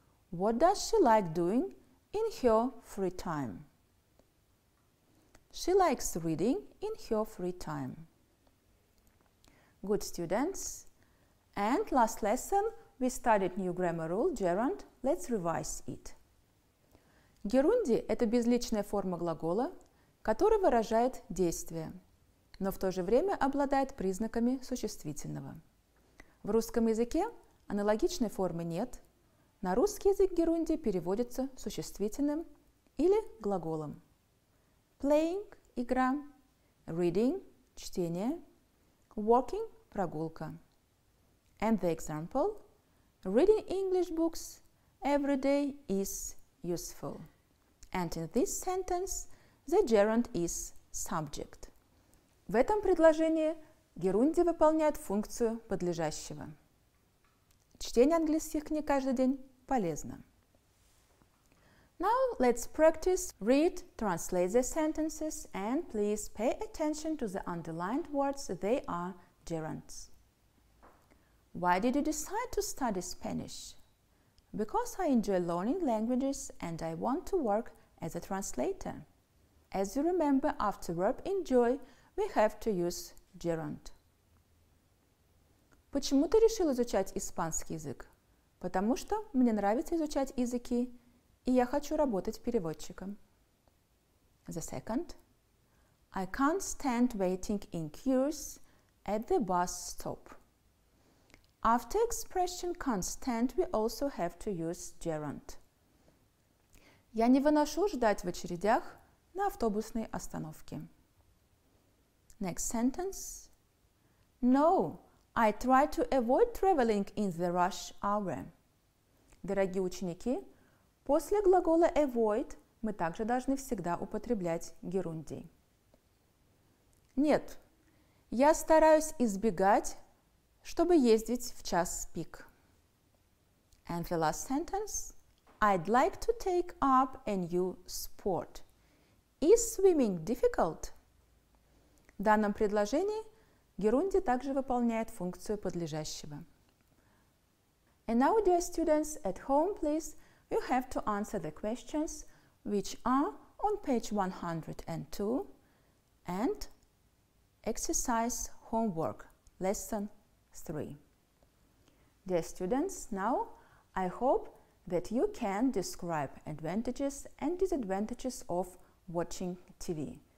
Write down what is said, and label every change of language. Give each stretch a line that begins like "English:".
English: What does she like doing in her free time? She likes reading in her free time. Good students. And last lesson, we studied new grammar rule, gerund. Let's revise it.
Russian: Герунди – это безличная форма глагола, который выражает действие, но в то же время обладает признаками существительного. В русском языке аналогичной формы нет. На русский язык герунди переводится существительным или глаголом.
English: Playing – игра, reading – чтение, walking – прогулка. And the example, Reading English books every day is useful. And in this sentence, the gerund is subject.
Russian: В этом предложении герунди выполняет функцию подлежащего. Чтение английских книг каждый день полезно.
English: Now let's practice read, translate the sentences, and please pay attention to the underlined words. They are gerunds. Why did you decide to study Spanish? Because I enjoy learning languages and I want to work as a translator. As you remember, after verb enjoy, we have to use gerund.
Russian: Почему ты решил изучать испанский язык? Потому что мне нравится изучать языки, и я хочу работать переводчиком.
English: The second. I can't stand waiting in queues at the bus stop. After expression can't stand, we also have to use gerund.
Russian: Я не выношу ждать в очередях на автобусной остановке.
English: Next sentence. No, I try to avoid traveling in the rush hour.
Russian: Дорогие ученики, после глагола avoid мы также должны всегда употреблять герундий. Нет, я стараюсь избегать, чтобы ездить в час пик.
English: And the last sentence. I'd like to take up a new sport. Is swimming difficult?
Russian: В данном предложении герунди также выполняет функцию подлежащего.
English: And now, dear students at home, please, you have to answer the questions which are on page 102 and exercise homework, lesson 3. Dear students, now I hope that you can describe advantages and disadvantages of watching TV.